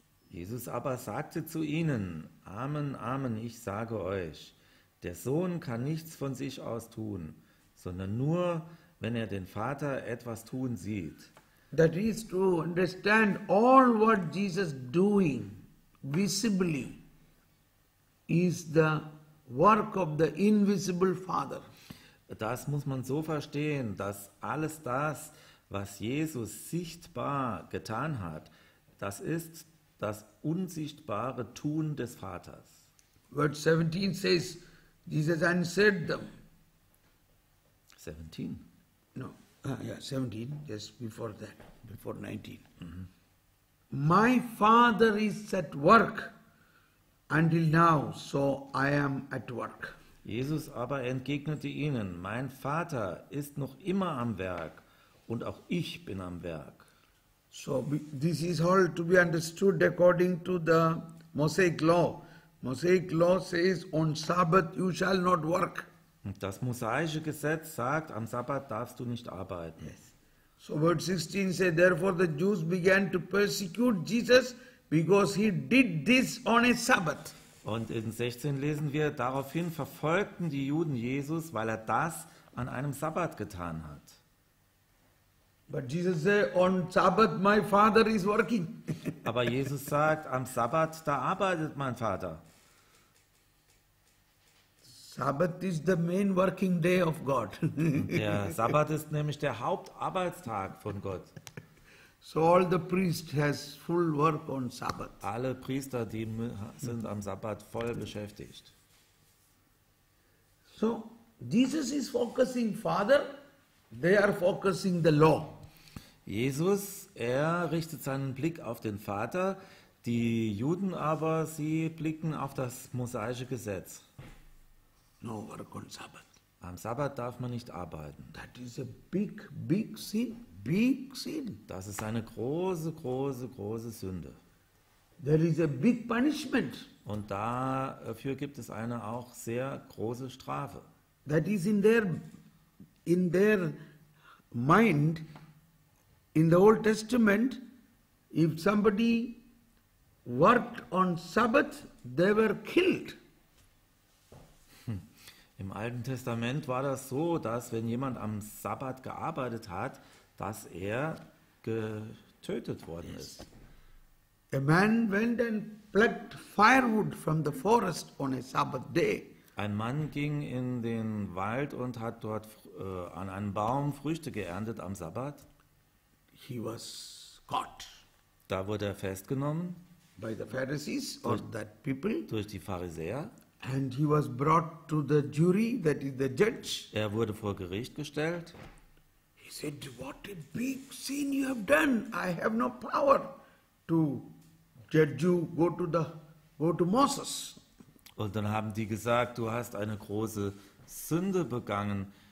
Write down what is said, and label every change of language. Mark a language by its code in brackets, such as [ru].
[de] Jesus aber sagte zu ihnen, Amen, Amen, ich sage euch, der Sohn kann nichts von sich aus tun, sondern nur, wenn er den Vater etwas tun sieht. [en] That is to understand all what Jesus doing visibly is the work of the invisible Father. Das muss man so verstehen, dass alles das, was Jesus sichtbar getan hat, das ist das unsichtbare Tun des Vaters. Verse 17 says, Jesus answered them. 17? No, 17, just before that, before 19. Mm-hmm. My Father is at work until now, so I am at work. [de] Jesus aber entgegnete ihnen, mein Vater ist noch immer am Werk, und auch ich bin am Werk. [en] So this is all to be understood according to the Mosaic law. Mosaic law says, on Sabbath you shall not work. [de] Das mosaische Gesetz sagt, am Sabbat darfst du nicht arbeiten. [en] Yes. So verse 16 says, therefore the Jews began to persecute Jesus because he did this on a Sabbath. [de] Und in 16 lesen wir, daraufhin verfolgten die Juden Jesus, weil er das an einem Sabbat getan hat. [en] But Jesus said, on Sabbath my father is working. [de] Aber Jesus sagt, am Sabbat, da arbeitet mein Vater. [en] Sabbath is the main working day of God. [de] Der Sabbat ist nämlich der Hauptarbeitstag von Gott. [en] So all the priests has full work on Sabbath. [de] Alle Priester, die sind am Sabbat voll beschäftigt. [en] So Jesus is focusing Father, they are focusing the law. [de] Jesus, er richtet seinen Blick auf den Vater, die Juden aber, sie blicken auf das mosaische Gesetz. [en] No work on Sabbath. [de] Am Sabbat darf man nicht arbeiten. [en] That is a big, big sin. Big sin. [de] Das ist eine große, große, große Sünde. [en] There is a big punishment. [de] Und dafür gibt es eine auch sehr große Strafe. [en] That is in their mind, in the Old Testament, if somebody worked on Sabbath, they were killed. [de] Im Alten Testament war das so, dass wenn jemand am Sabbat gearbeitet hat, dass er getötet worden ist. [en] A man went and plucked firewood from the forest on a Sabbath day. [de] Ein Mann ging in den Wald und hat dort an einem Baum Früchte geerntet am Sabbat. [en] He was caught. [de] Da wurde er festgenommen. [en] By the Pharisees or that people. [de] Durch die Pharisäer. [en] And he was brought to the jury, that is the judge. [de] Er wurde vor Gericht gestellt. [en] He said, what a big sin you have done. I have no power to judge you. Go to Moses. [de] Und dann haben die gesagt, du hast eine große Sünde begangen.